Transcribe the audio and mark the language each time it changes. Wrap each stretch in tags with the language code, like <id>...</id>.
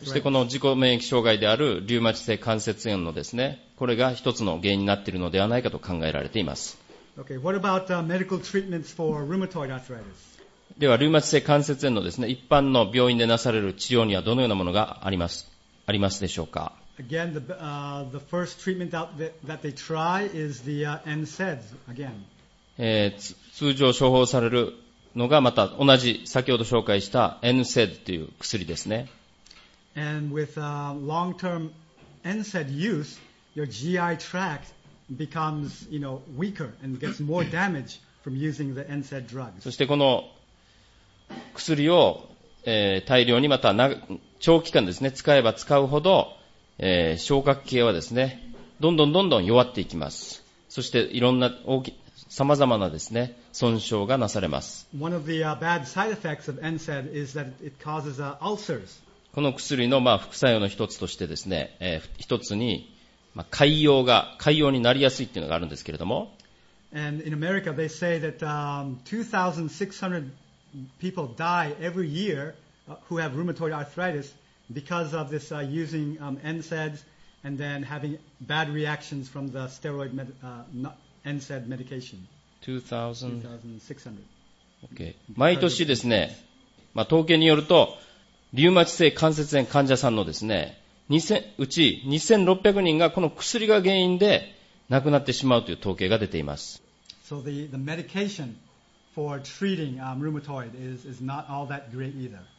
<ja>そしてこの自己免疫障害であるリウマチ性関節炎のですね、これが一つの原因になっているのではないかと考えられています。</ja> <en>Okay, what about medical treatments for rheumatoid arthritis?</en> <ja>ではリウマチ性関節炎のですね、一般の病院でなされる治療にはどのようなものがありますでしょうか。</ja> <en>Again, the first treatment that they try is the NSAIDs again.</en> <ja>通常処方されるのがまた同じ先ほど紹介した NSAID という薬ですね。</ja> <en>And with long-term NSAID use, your GI tract becomes, you know, weaker and gets more damage from using the NSAID drugs.</en> <ja>そしてこの薬を大量にまた長期間ですね、使えば使うほど、消化器系はですね、どんどんどんどん弱っていきます。そしていろんな大きさまざまなですね、損傷がなされます。</ja> <en>One of the bad side effects of NSAID is that it causes ulcers.</en> <ja>この薬のまあ副作用の一つとしてですね、一つに、まあ、潰瘍になりやすいっていうのがあるんですけれども。</ja> <en>And in America, they say that 2,600 people die every year who have rheumatoid arthritis because of this using NSAIDs and then having bad reactions from the steroid NSAID medication. 2,600.</en> <ja>Okay. 毎年ですね、まあ、統計によると、リウマチ性関節炎患者さんのですね、うち2600人がこの薬が原因で亡くなってしまうという統計が出ています。</ja> <en>So the medication for treating rheumatoid is not all that great either.</en>